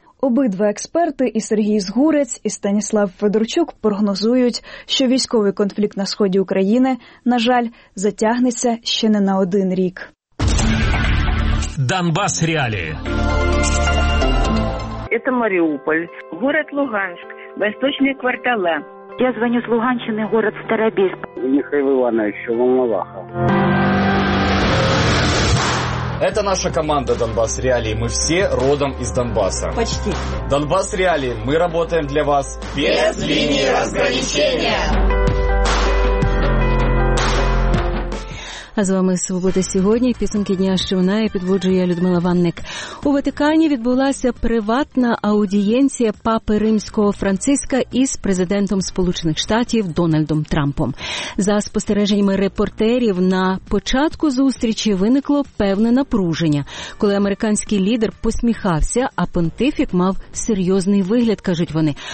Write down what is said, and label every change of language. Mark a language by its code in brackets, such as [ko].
[uk] Обидва експерти, і Сергій Згурець, і Станіслав Федорчук, прогнозують, що військовий конфлікт на сході України, на жаль, затягнеться ще не на один рік. Донбас реалії. Це Маріуполь, город Луганськ, восточні квартали. Я дзвоню з Луганщини, город Старобіз. Михайло Іванович, Волноваха. [ru] Это наша команда «Донбасс Реалии». Мы все родом из Донбасса. Почти. «Донбасс Реалии». Мы работаем для вас без линии разграничения. [uk] А з вами «Свобода сьогодні», підсумки дня, що вона і підводжує Людмила Ванник. У Ватикані відбулася приватна аудієнція папи Римського Франциска із президентом Сполучених Штатів Дональдом Трампом. За спостереженнями репортерів, на початку зустрічі виникло певне напруження, коли американський лідер посміхався, а понтифік мав серйозний вигляд, кажуть вони.